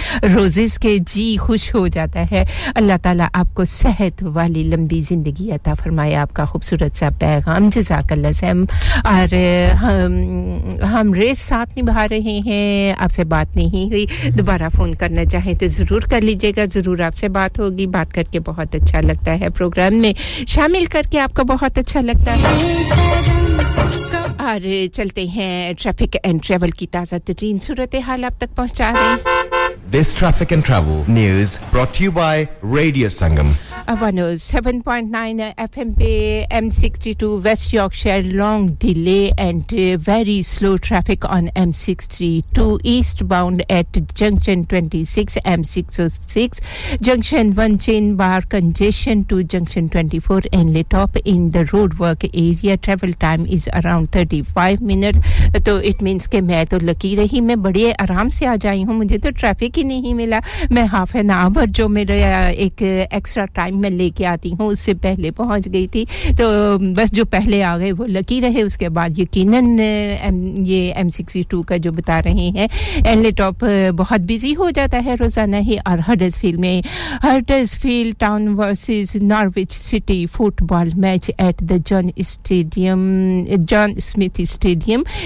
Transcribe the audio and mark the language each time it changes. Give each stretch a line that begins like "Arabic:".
Hindi: Roses के जी खुश हो जाता है अल्लाह ताला आपको सेहत वाली लंबी जिंदगी अता फरमाए आपका खूबसूरत सा पैगाम जज़ाकअल्लाह सैम और हम रेस साथ निभा रहे हैं आपसे बात नहीं हुई दोबारा फ़ोन करना चाहें तो ज़रूर कर लीजिएगा ज़रूर आपसे बात होगी बात करके बहुत अच्छा लगता है प्रोग्राम में शामिल करके आपको बहुत अच्छा लगता है और चलते हैं ट्रैफिक एंड ट्रैवल की ताज़ा तरीन सूरत हाल आप तक पहुंचा रहे हैं
English: This traffic and travel news brought to you by Radio Sangam. 107.9 FM M62 West Yorkshire. Long delay and very slow traffic on M62 eastbound at junction 26 M606. Junction 1 chain bar congestion to junction 24 in Litop in the roadwork area. Travel time is around 35 minutes. So it means
Hindi: ke main to lucky rahi. Main bade aram se aa jayi hoon. Mujhe to traffic नहीं मिला मैं
English: half an hour
Hindi: जो मेरा एक extra time मैं लेके आती हूँ उससे पहले पहुँच गई थी तो बस जो पहले आ गए वो लकी रहे उसके बाद यकीनन ये M62 का जो बता रहे हैं एनले टॉप बहुत बिजी हो जाता है रोज़ाना ही और हडर्सफील्ड में Huddersfield town versus Norwich city football match at the John Smith stadium